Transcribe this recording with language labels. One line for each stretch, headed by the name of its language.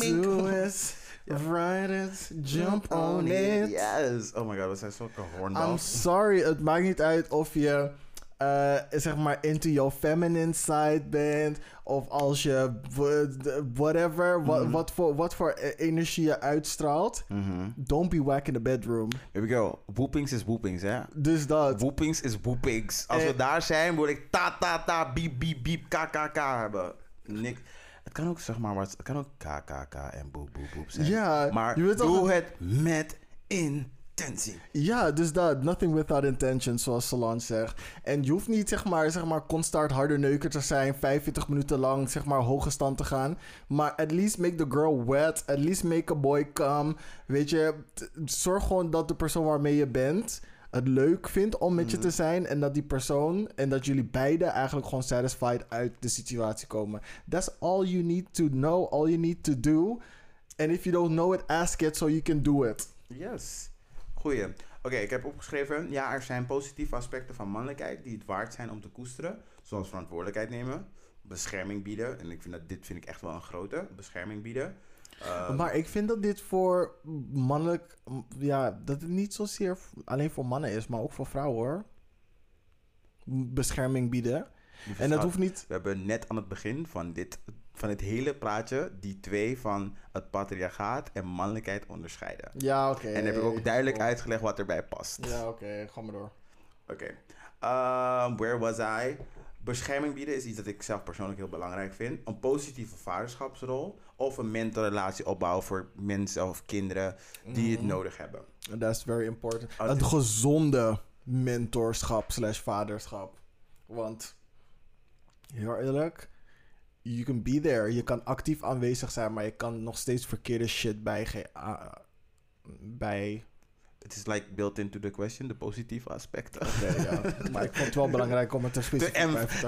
English: Do it. Yeah. Ride it. Jump on it. Yes. Oh my god,
Dutch: we zijn zo'n hoornbal.
English: I'm sorry.
Dutch: Het maakt niet uit of je, zeg maar,
English: into your feminine side
Dutch: bent. Of als je whatever, wat voor energie je uitstraalt. Mm-hmm.
English: Don't be whack in the bedroom. Here we go. Whoopings is whoopings, hè?
Dutch: Dus dat.
English: Whoopings is whoopings.
Dutch: Als we daar zijn, wil ik ta, biep, biep, biep, kkk hebben. Niks. Het kan ook, zeg maar, het kan ook kkk en boep, boep, boep zijn. Ja. Maar doe het met in. Ja, dus dat.
English: Nothing without intention,
Dutch: zoals Solange zegt. En je hoeft niet, zeg maar constant harder neuker te zijn, 45 minuten lang, zeg maar, hoge stand te gaan. Maar
English: at least make the girl wet. At least make a boy come.
Dutch: Weet je, zorg gewoon dat de persoon waarmee je bent het leuk vindt om met je te zijn. En dat die persoon en dat jullie beiden eigenlijk gewoon satisfied uit de situatie komen.
English: That's all you need to know, all you need to do. And if you don't know it, ask it so you can do it.
Dutch: Yes. Goeie. Oké, ik heb opgeschreven. Ja, er zijn positieve aspecten van mannelijkheid die het waard zijn om te koesteren. Zoals verantwoordelijkheid nemen, bescherming bieden. En dit vind ik echt wel een grote bescherming bieden. Maar ik vind dat dit voor mannelijk, ja, dat het niet zozeer alleen voor mannen is, maar ook voor vrouwen hoor. Bescherming bieden. En dat hoeft niet. We hebben net aan het begin van dit hele praatje, die twee van het patriarchaat en mannelijkheid onderscheiden. Ja, oké. Okay. En heb ik ook duidelijk uitgelegd wat erbij past. Ja, oké. Ga maar door.
English: Oké. Where was I?
Dutch: Bescherming bieden is iets dat ik zelf persoonlijk heel belangrijk vind. Een positieve vaderschapsrol of een mentorrelatie opbouwen voor mensen of kinderen die het nodig hebben.
English: That's very important.
Dutch: Het gezonde mentorschap/vaderschap. Want, heel eerlijk,
English: you can be there.
Dutch: Je kan actief aanwezig zijn, maar je kan nog steeds verkeerde shit bij.
English: It is like built into the question,
Dutch: de positieve aspecten. Okay, ja. Maar ik vond het wel belangrijk om het te specifiek